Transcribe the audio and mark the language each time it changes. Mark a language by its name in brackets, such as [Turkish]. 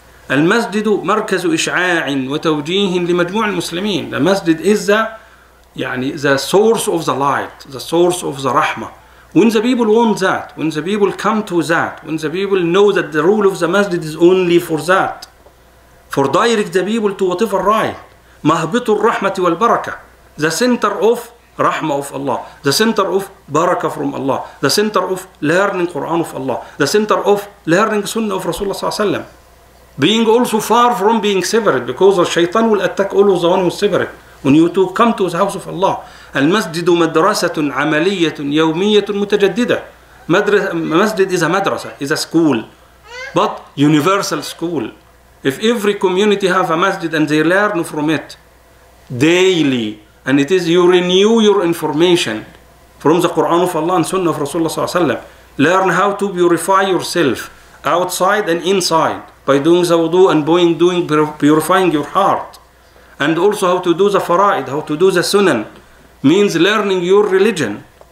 [Arabic] المسجد مركز إشعاع وتوجيه لمجموع المسلمين. [English] The masjid is the, يعني the source of the light, the source of the rahmah. When the people want that, when the people come to that, when the people know that the rule of the masjid is only for that, for direct the people to whatever right, [Arabic] مهبط الرحمة والبركة, [English] the center of rahmah of Allah, the center of barakah from Allah, the center of learning Quran of Allah, the center of learning sunnah of Rasulullah sallallahu alaihi wasallam, being also far from being severed, because the shaitan will attack all of the one who is severed. When you two come to the house of Allah, [Arabic] المسجد مدرسة عملية يومية متجددة. [English] Masjid is a madrasa, is a school, but universal school. If every community have a masjid and they learn from it daily, and it is you renew your information from the Quran of Allah and Sunnah of Rasulullah sallallahu alaihi wasallam, learn how to purify yourself outside and inside by doing the wudu and doing purifying your heart, and also how to do the fara'id, how to do the sunan, means learning your religion.